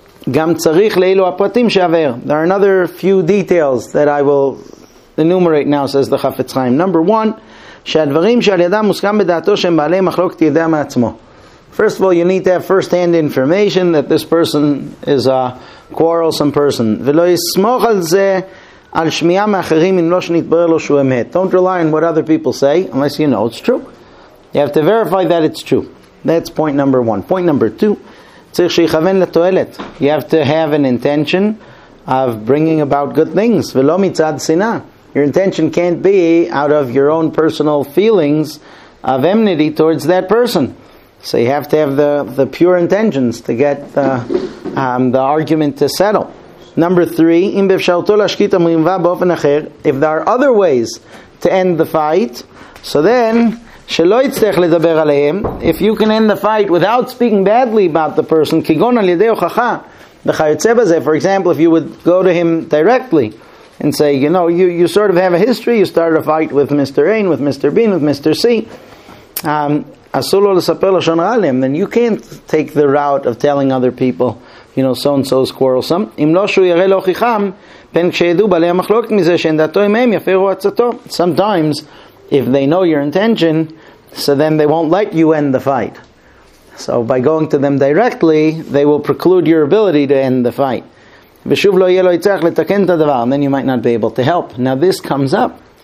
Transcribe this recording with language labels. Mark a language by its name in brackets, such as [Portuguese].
[Hebrew] גם צריך לאילו הפרטים שעבר. [English] There are another few details that I will enumerate now, says the Chafetz Chaim. Number one, [Hebrew] שהדברים שעל ידם מוסכם בדעתו שהם בעלי מחלוקת ידע מעצמו. [English] First of all, you need to have first-hand information that this person is a quarrelsome person. [Hebrew] ולא יסמוך על זה, על שמיעה מאחרים, אם לא שנתברר לו שהוא אמת. [English] Don't rely on what other people say, unless you know it's true. You have to verify that it's true. That's point number one. Point number two, [Hebrew] צריך שיכוון לתועלת. [English] You have to have an intention of bringing about good things. [Hebrew] ולא מצד שנאה. [English] Your intention can't be out of your own personal feelings of enmity towards that person. So you have to have the pure intentions to get the argument to settle. Number three, [Hebrew] אם באפשרותו להשקיט המריבה באופן אחר, [English] if there are other ways to end the fight, so then [Hebrew] שלא יצטרך לדבר עליהם, [English] if you can end the fight without speaking badly about the person, [Hebrew] כגון על ידי הוכחה, וכיוצא בזה, [English] for example, if you would go to him directly and say, you know, you sort of have a history, you started a fight with Mr. A, with Mr. B, with Mr. C, [Hebrew] אסור לו לספר לשון רע עליהם, [English] then you can't take the route of telling other people, you know, so-and-so is quarrelsome. [Hebrew] אם לא שהוא יראה להוכיחם, פן כשידעו בעלי המחלוקת מזה, שאין דעתו עמהם, יפירו עצתו. [English] Sometimes, if they know your intention, so then they won't let you end the fight. So by going to them directly, they will preclude your ability to end the fight. [Hebrew] ושוב לא יהיה לו יצח לתקן את הדבר, [English] then you might not be able to help. Now this comes up.